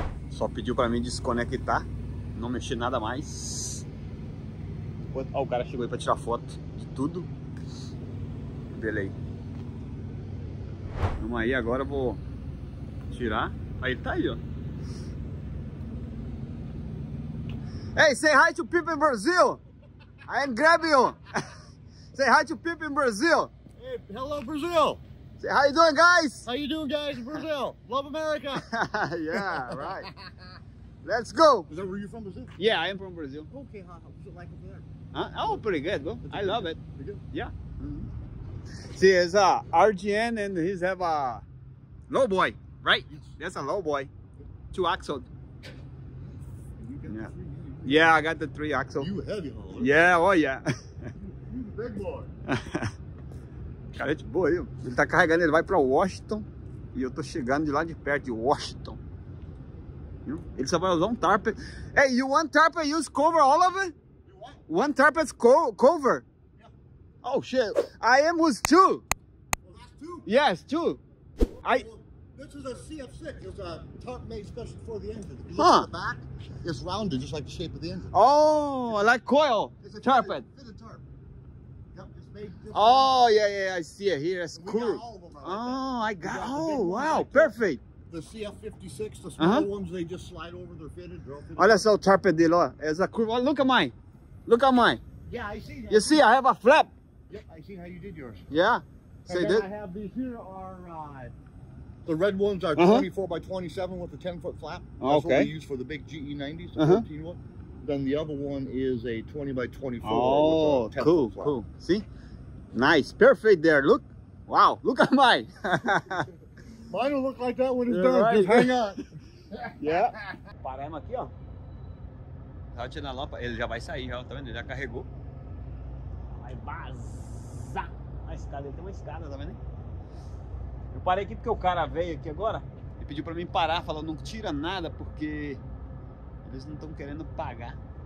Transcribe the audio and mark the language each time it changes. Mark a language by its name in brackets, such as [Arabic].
[Portuguese] Só pediu pra mim desconectar. Não mexer nada mais. Ó, o cara chegou aí pra tirar foto de tudo. Beleza. Vamos aí, agora eu vou tirar. Aí tá aí, ó. [English] Hey, say hi to people in Brazil. I am grabbing you. Say hi to people in Brazil. Hey, hello Brazil. Say, how you doing, guys? How you doing, guys, in Brazil? Love America. Yeah, right. Let's go. Is that where you're from, Brazil? Yeah, I am from Brazil. Okay, how's it like over there? Huh? Oh, pretty good, bro. I love it. Pretty good? Yeah. Mm-hmm. See, it's a RGN and he's have a Lowboy, right? Yes. That's a Lowboy. Two axle. You got the 3? Yeah, I got the 3 axle. You heavy hauler. Yeah, oh yeah. You big boy. [Portuguese] Cara, é boa aí. Ele tá carregando, ele vai pra Washington e eu tô chegando de lá de perto de Washington. Ele só vai usar um tarp. [English] Hey, you want tarp and use cover all of it? One tarp is cover. Yeah. Oh shit. I am with two. Well, that's two? Yes, two. Okay, well, this is a CF6. It's a tarp made special for the engine. Huh. The back is rounded, just like the shape of the engine. Oh, it's like coil. It's a tarp. Fitted tarp. Yep, it's made different. Oh, yeah, I see it here. It's cool. We got all of them wow, perfect. The CF56, the small ones, they just slide over, they're fitted. [Portuguese] Olha só o tarp dele, ó. [English] It's a curve. Oh, look at mine. Look at mine. Yeah, I see that. You see, I have a flap. Yep, I see how you did yours. Yeah. Say this. I have these here are the red ones are 24 by 27 with a 10-foot flap. That's okay. What we use for the big GE90s, the 13 one. Then the other one is a 20 by 24. Oh, with a 10 cool, foot flap. Cool. See? Nice. Perfect there. Look. Wow. Look at mine. Mine will look like that when it's done. Right. Just hang on. Yeah. [Portuguese] Paramos aqui, ó. Tava tirando a lâmpada, ele já vai sair, ó, tá vendo? Ele já carregou. Vai vazar. A escada, ele tem uma escada, tá vendo? Eu parei aqui porque o cara veio aqui agora e pediu pra mim parar, falou, não tira nada porque eles não estão querendo pagar.